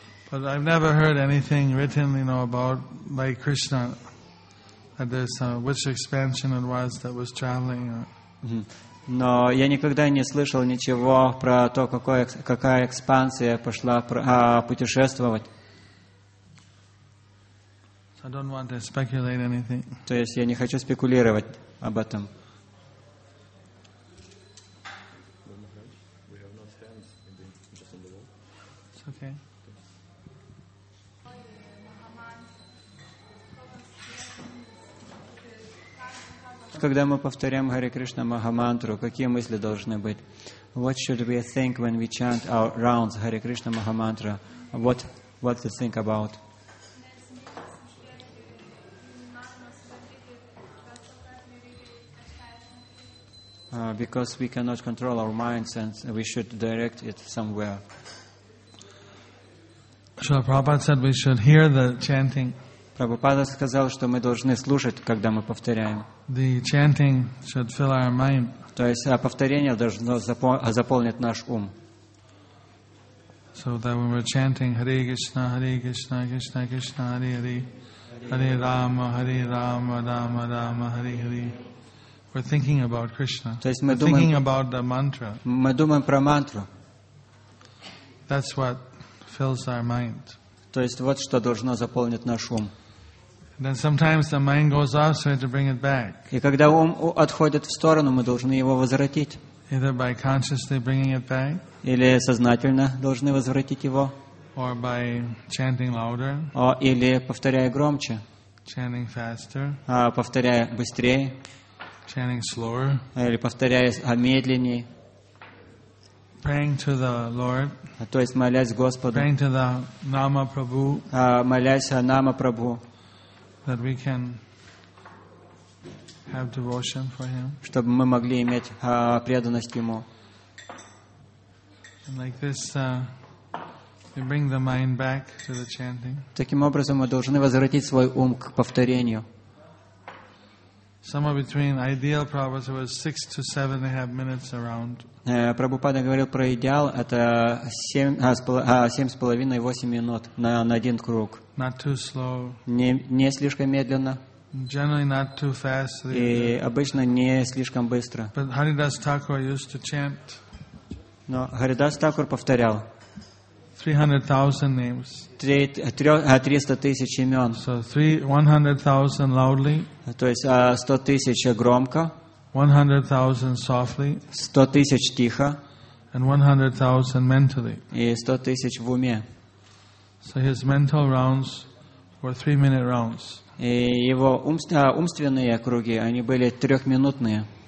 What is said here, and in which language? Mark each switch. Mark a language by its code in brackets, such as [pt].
[en] But I've never heard anything written, you know, about like Krishna, that there's which expansion it was that was traveling. [ru] Но я никогда не слышал ничего про то, какая экспансия пошла путешествовать. [en] I don't want to speculate anything. [ru] То есть я не хочу спекулировать об этом. Когда мы повторяем Hare Krishna Mahamantra, какие мысли должны быть? [en] What should we think when we chant our rounds Hare Krishna Mahamantra? What to think about? Because we cannot control our minds and we should direct it somewhere. Srila Prabhupada said we should hear the chanting. [ru] Прабхупада сказал, что мы должны слушать, когда мы повторяем. [en] The chanting should fill our mind. [ru] То есть повторение должно заполнить наш ум. [en] So that when we're chanting Hare Krishna, Hare Krishna, Krishna Krishna, Hare Hare, Hare Rama, Hare Rama, Rama Rama, Hare Hare, we're thinking about Krishna. [ru] То есть [en] thinking about the mantra. [ru] Мы думаем про мантру. [en] That's what fills our mind. [ru] То есть вот что должно заполнить наш ум. [en] Then sometimes the mind goes off, so we have to bring it back. [ru] И когда ум отходит в сторону, мы должны его возвратить. [en] Either by consciously bringing it back. [ru] Или сознательно должны возвратить его. [en] Or by chanting louder. [ru] Или повторяя громче. [en] Chanting faster. [ru] Повторяя быстрее. [en] Chanting slower. [ru] Или повторяя медленнее. [en] Praying to the Lord. [ru] То есть молясь Господу. [en] Praying to the Nama Prabhu. [ru] Молясь о Нама Прабху. [en] That we can have devotion for him. [ru] Чтобы мы могли иметь преданность ему. [en] And like this, we bring the mind back to the chanting. [ru] Таким образом мы должны возвратить свой ум к повторению. [en] Somewhere between ideal Prabhupada was 6 to 7.5 minutes around. [ru] Прабхупада говорил про идеал, это 7.5-8 минут на один круг. [en] Not too slow. [ru] Не слишком медленно. [en] Generally not too fast. Either. [ru] И обычно не слишком быстро. [en] But Haridas Thakur used to chant. [ru] Но Харидас Такур повторял. [en] 300,000 names. [ru] 300,000 имен. [en] So 100,000 loudly. [ru] То есть 100,000 громко. [en] 100,000 softly. [ru] 100,000 тихо. [en] And 100,000 mentally. [ru] И 100,000 в уме. [en] So his mental rounds were 3-minute rounds. [ru] И его умственные круги, они были 3-минутные.